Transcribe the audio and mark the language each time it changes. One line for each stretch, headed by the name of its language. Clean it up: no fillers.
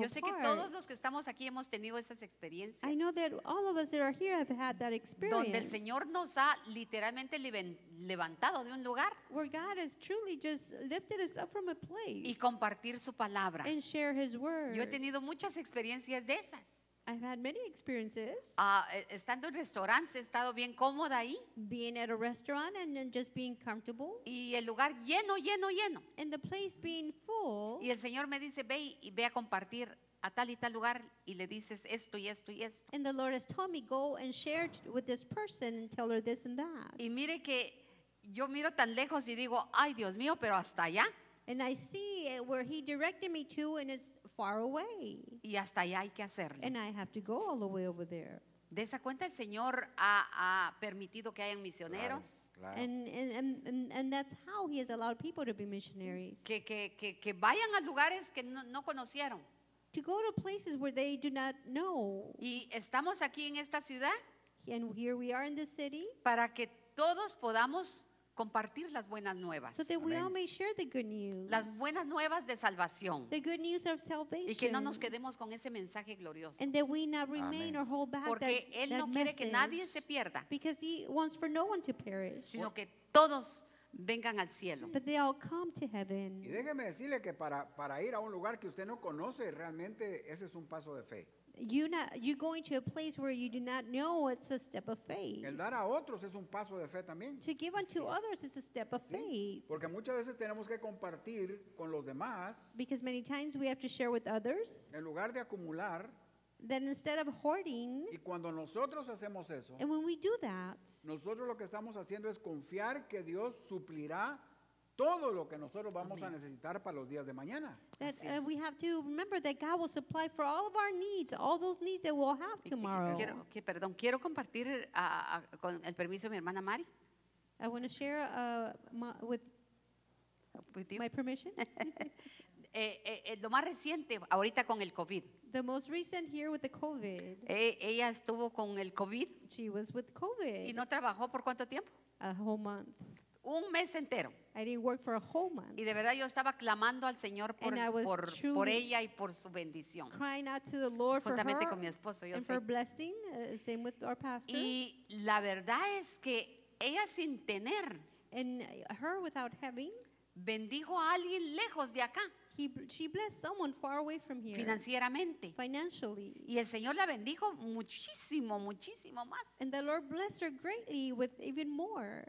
English: part.
Spanish: Yo sé que todos los que estamos aquí hemos tenido esas experiencias.
English: I know that all of us that are here have had that experience.
Spanish: Donde el Señor nos ha literalmente levantado de un lugar.
English: Where God has truly just lifted us up from a place.
Spanish: Y compartir su palabra.
English: And share his word.
Spanish: Yo he tenido muchas experiencias de esas.
English: I've had many experiences.
Spanish: Estando en restaurantes, he estado bien cómoda ahí.
English: Being at a restaurant and then just being comfortable.
Spanish: Y el lugar lleno, lleno, lleno.
English: And the place being full.
Spanish: Y el Señor me dice, ve y ve a compartir a tal y tal lugar y le dices esto y esto y esto.
English: And the Lord has told me, go and share with this person and tell her this and that.
Spanish: Y mire que yo miro tan lejos y digo, ay Dios mío, pero hasta allá.
English: And I see where he directed me to and it's far away.
Spanish: Y hasta allá hay que hacerle.
English: And I have to go all the way over there.
Spanish: De esa cuenta el Señor ha permitido que hayan misioneros. Claro, claro.
English: And that's how he has allowed people to be missionaries.
Spanish: Que vayan a lugares que no conocieron.
English: To go to places where they do not know.
Spanish: Y estamos aquí en esta ciudad.
English: And here we are in this city.
Spanish: Para que todos podamos compartir las buenas nuevas.
English: So that we all may share the good news.
Spanish: Las buenas nuevas de salvación.
English: The good news of salvation.
Spanish: Y que no nos quedemos con ese mensaje glorioso.
English: And that we not remain or hold back.
Spanish: Porque
English: that,
Spanish: él
English: that
Spanish: no quiere que nadie se pierda.
English: Because he wants for no one to perish.
Spanish: Sino que todos vengan al cielo.
English: But they all come to heaven.
Spanish: Y déjeme decirle que para ir a un lugar que usted no conoce, realmente ese es un paso de fe.
English: You going to a place where you do not know, it's a step of faith.
Spanish: El dar a otros es un paso de fe también.
English: To give unto others is a step of faith.
Spanish: Porque muchas veces tenemos que compartir con los demás.
English: Because many times we have to share with others.
Spanish: En lugar de acumular.
English: Then instead of hoarding.
Spanish: Y cuando nosotros hacemos eso.
English: And when we do that.
Spanish: Nosotros lo que estamos haciendo es confiar que Dios suplirá todo lo que nosotros vamos a necesitar para los días de mañana.
English: That, we have to remember that God will supply for all of our needs, all those needs that we'll have tomorrow.
Spanish: Quiero compartir con el permiso de mi hermana Mari.
English: I want to share with you. My permission.
Spanish: lo más reciente, ahorita con el COVID.
English: The most recent here with the COVID.
Spanish: Ella estuvo con el COVID.
English: She was with COVID.
Spanish: ¿Y no trabajó por cuánto tiempo?
English: A whole month.
Spanish: Un mes entero.
English: I didn't work for a whole month.
Spanish: Y de verdad yo estaba clamando al Señor por ella y por su bendición.
English: Crying out to the Lord for her
Spanish: con mi esposo, yo
English: and
Spanish: sé.
English: For blessing, same with our pastor.
Spanish: Y la verdad es que ella sin tener,
English: and her without having,
Spanish: bendijo a alguien lejos de acá.
English: She blessed someone far away from here.
Spanish: Financieramente.
English: Financially.
Spanish: Y el Señor la bendijo muchísimo, muchísimo más.
English: And the Lord blessed her greatly with even more.